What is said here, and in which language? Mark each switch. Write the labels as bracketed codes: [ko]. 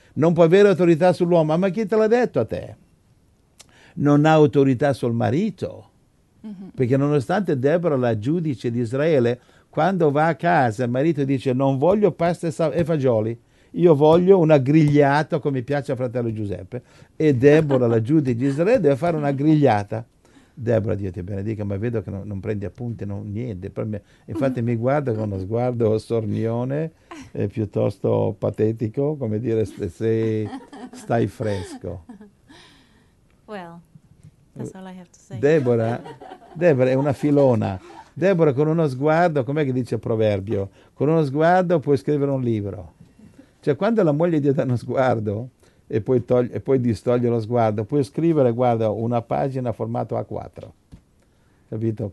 [it] Non può avere autorità sull'uomo, ma chi te l'ha detto a te? Non ha autorità sul marito, perché nonostante Deborah la giudice di Israele, quando va a casa il marito dice non voglio pasta e fagioli, io voglio una grigliata come piace a fratello Giuseppe, e Deborah la giudice di Israele deve fare una grigliata. Deborah, Dio ti benedica, ma vedo che non prendi appunti, non, niente. Infatti mi guarda con uno sguardo sornione, e piuttosto patetico, come dire, se stai fresco. [en] Well, that's all I have to say. [it] Deborah è una filona. Deborah con uno sguardo, com'è che dice il proverbio? Con uno sguardo puoi scrivere un libro. Cioè, quando la moglie ti dà uno sguardo e poi distoglie lo sguardo, puoi scrivere, guarda, una pagina formato A4. Capito?